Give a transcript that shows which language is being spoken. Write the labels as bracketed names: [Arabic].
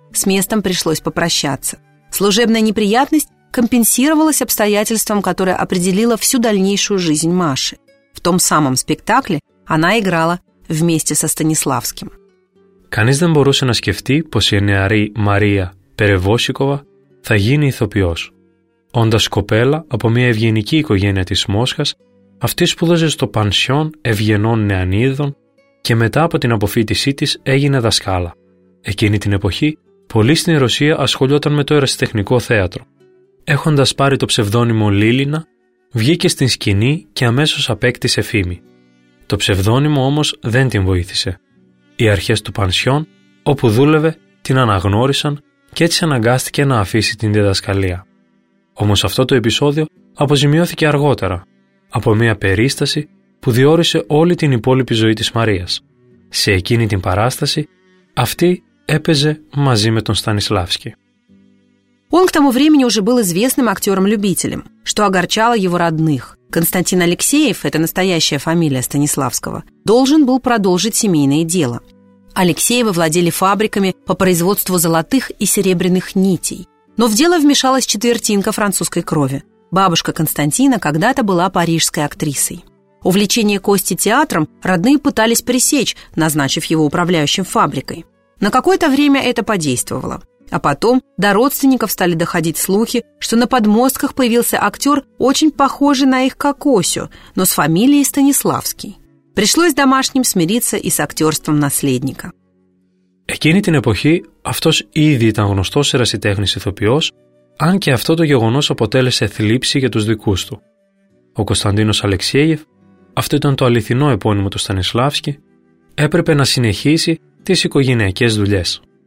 [Russian] С местом пришлось попрощаться. Служебная неприятность компенсировалась обстоятельством, которое определило всю дальнейшую жизнь Маши. В том самом спектакле она играла вместе со Станиславским. [Greek] Канис дэн борусе на скефти, после неари Мария Перевозчикова θα γίνει ηθοποιός. Όντας κοπέλα από μια ευγενική οικογένεια της Μόσχας, αυτή σπούδαζε στο πανσιόν ευγενών νεανίδων και μετά από την αποφύτισή της έγινε δασκάλα. Εκείνη την εποχή, πολλοί στην Ρωσία ασχολιόταν με το ερασιτεχνικό θέατρο. Έχοντας πάρει το ψευδώνυμο Λίλινα, βγήκε στην σκηνή και αμέσως απέκτησε φήμη. Το ψευδώνυμο όμως δεν την βοήθησε. Οι αρχές του πανσιόν, όπου δούλευε, την αναγνώρισαν και έτσι αναγκάστηκε να αφήσει την διδασκαλία. Όμως αυτό το επεισόδιο αποζημιώθηκε αργότερα από μια περίσταση που διόρισε όλη την υπόλοιπη ζωή της Μαρίας. Σε εκείνη την παράσταση αυτή έπαιζε μαζί με τον Στανισλάβσκι. [Russian] Он к тому времени уже был известным актером-любителем, что огорчало его родных. Константин Алексеев, это настоящая фамилия Станиславского, должен был продолжить семейное дело. Алексеевы владели фабриками по производству золотых и серебряных нитей. Но в дело вмешалась четвертинка французской крови. Бабушка Константина когда-то была парижской актрисой. Увлечение Кости театром родные пытались пресечь, назначив его управляющим фабрикой. На какое-то время это подействовало. А потом до родственников стали доходить слухи, что на подмостках появился актер, очень похожий на их Кокосю, но с фамилией Станиславский. Пришлось домашним смириться и с актерством наследника. [Greek] Εκείνη την εποχή αυτός ήδη ήταν γνωστός ερασιτέχνης ηθοποιός, αν και αυτό το γεγονός αποτέλεσε θλίψη για τους δικούς του. Ο Κωνσταντίνος Αλεξέγεφ, αυτό ήταν το αληθινό επώνυμο του Στανισλάφσκι, έπρεπε να συνεχίσει τις οικογενειακές δουλειές.